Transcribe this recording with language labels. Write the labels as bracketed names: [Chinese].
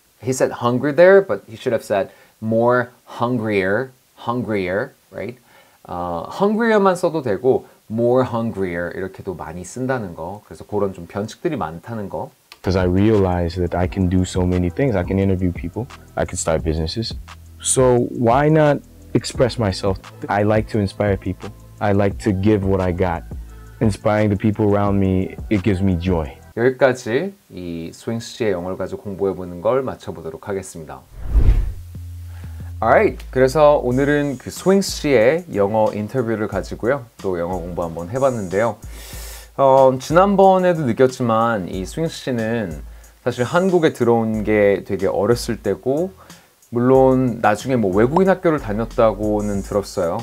[English] He said hungry there, but he should have said more hungrier, right? [Korean] Hungrier만 써도 되고 more hungrier 이렇게도 많이 쓴다는 거. 그래서 그런 좀 변칙들이 많다는 거. [English] Because I realized that I can do so many things. I can interview people. I can start businesses. So why not express myself? I like to inspire people. I like to give what I got. Inspiring the people around me, it gives me joy. [Korean] 여기까지 이 스윙스 씨의 영어를 가지고 공부해보는 걸 마쳐보도록 하겠습니다. Alright, 그래서 오늘은 그 스윙스 씨의 영어 인터뷰를 가지고요. 또 영어 공부 한번 해봤는데요. 지난번에도 느꼈지만 이 스윙스 씨는 사실 한국에 들어온 게 되게 어렸을 때고 물론 나중에 뭐 외국인 학교를 다녔다고는 들었어요.